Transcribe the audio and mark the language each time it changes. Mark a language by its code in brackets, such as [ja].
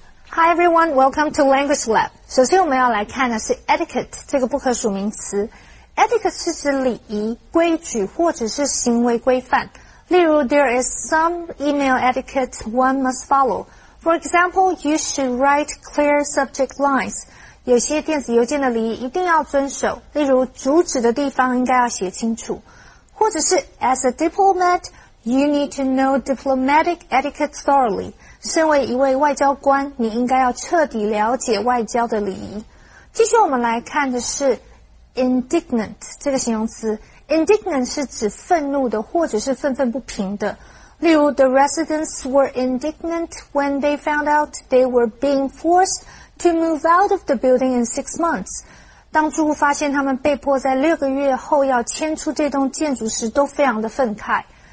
[en] Hi everyone, welcome to Language Lab. [zh] 首先我们要来看的是 etiquette 这个不可数名词。 Etiquette 是指礼仪、规矩或者是行为规范。例如 [en] ,there is some email etiquette one must follow. For example, you should write clear subject lines. [zh] 有些电子邮件的礼仪一定要遵守。例如主旨的地方应该要写清楚。或者是 [en] as a diplomat, you need to know diplomatic etiquette thoroughly. [zh] 身为一位外交官，你应该要彻底了解外交的礼仪。继续我们来看的是 indignant 这个形容词。 indignant 是指愤怒的或者是愤愤不平的。例如 [en] ,the residents were indignant when they found out they were being forced to move out of the building in 6 months. [zh] 当住户发现他们被迫在六个月后要迁出这栋建筑时都非常的愤慨。